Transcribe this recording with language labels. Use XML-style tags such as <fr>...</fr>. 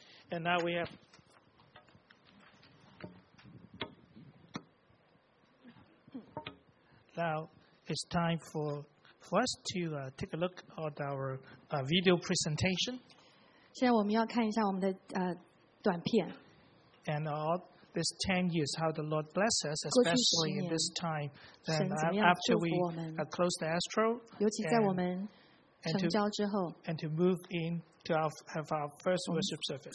<en>And now we have now it's time for us to take a look at our video presentation.</en> <zh>现在我们要看一下我们的短片。</zh> <en>And all these 10 years, how the Lord bless us, especially in this time. Then after we close the astro,</en> <zh>尤其在我们成交之后</zh> <en>and to move in to have our first worship service.</en>